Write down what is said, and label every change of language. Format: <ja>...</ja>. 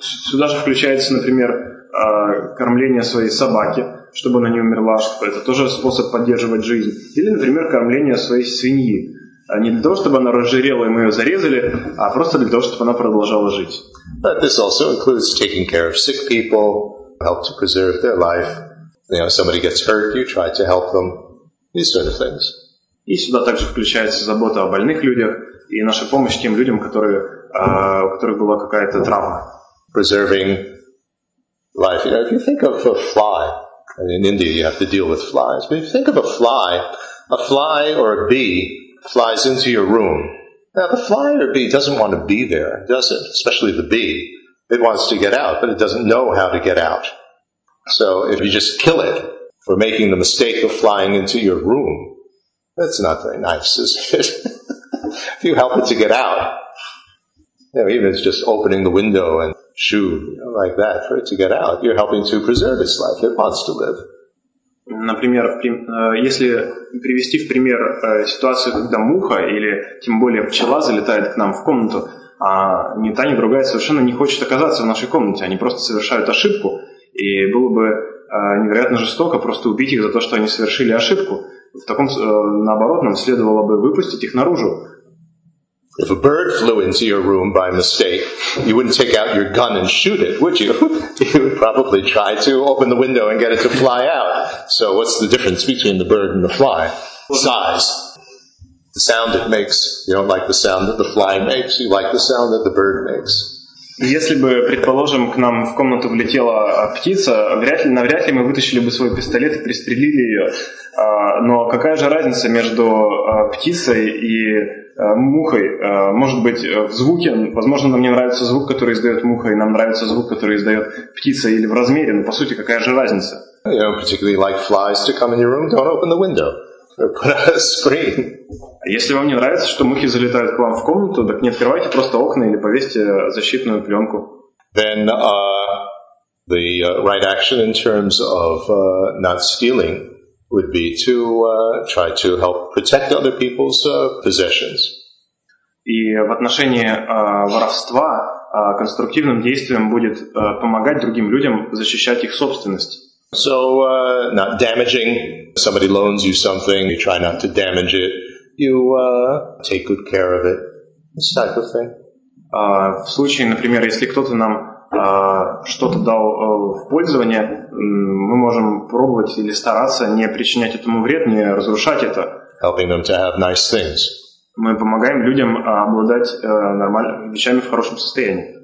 <ru>Сюда же включается, например, кормление своей собаки, чтобы она не умерла. Это тоже способ поддерживать жизнь. Или, например, кормление своей свиньи. Не для того, чтобы она разжирела и мы ее зарезали, а просто для того, чтобы она продолжала жить.</ru> <en>But this also includes taking care of sick people, help to preserve their life. You know, somebody gets hurt, you try to help them. These sort of things.</en> <ru>И сюда также включается забота о больных людях и наша помощь тем людям, у которых была какая-то травма.</ru> <en>Preserving life. You know, if you think of a fly, in India you have to deal with flies, but if you think of a fly or a bee, flies into your room. Now, the fly or bee doesn't want to be there, does it? Especially the bee. It wants to get out, but it doesn't know how to get out. So if you just kill it for making the mistake of flying into your room, that's not very nice, is it? If you help it to get out, you know, even if it's just opening the window and shoo, you know, like that, for it to get out, you're helping to preserve its life. It wants to live.</en> <ru>Например, если привести в пример ситуацию, когда муха или тем более пчела залетает к нам в комнату, а ни та, ни другая совершенно не хочет оказаться в нашей комнате, они просто совершают ошибку, и было бы невероятно жестоко просто убить их за то, что они совершили ошибку. В таком, наоборот, нам следовало бы выпустить их наружу.</ru> <en>If a bird flew into your room by mistake, you wouldn't take out your gun and shoot it, would you? You would probably try to open the window and get it to fly out. So what's the difference between the bird and the fly? Size. The sound it makes. You don't like the sound that the fly makes, you like the sound that the bird makes.</en> <ru>Если бы, предположим, к нам в комнату влетела птица, навряд ли мы вытащили бы свой пистолет и пристрелили ее. Но какая же разница между птицей и мухой? Может быть, в звуке, возможно, нам не нравится звук, который издает муха, и нам нравится звук, который издает птица, или в размере, но по сути, какая же разница?</ru> <en>You don't particularly like flies to come in your room, don't open the window. Put a screen.</en> <ru>Если вам не нравится, что мухи залетают к вам в комнату, так не открывайте просто окна или повесьте защитную пленку.</ru> <en>Then the right action in terms of not stealing would be to try to help protect other people's possessions.</en> <ru>И в отношении воровства конструктивным действием будет помогать другим людям защищать их собственность.</ru> <en>So, not damaging. Somebody loans you something, you try not to damage it. You take good care of it. This type of thing.</en> <ru>В случае, например, если кто-то нам что-то дал в пользование, мы можем пробовать или стараться не причинять этому вред, не разрушать это.</ru> <en>Helping them to have nice things.</en> <ru>Мы помогаем людям обладать нормальными вещами в хорошем состоянии.</ru>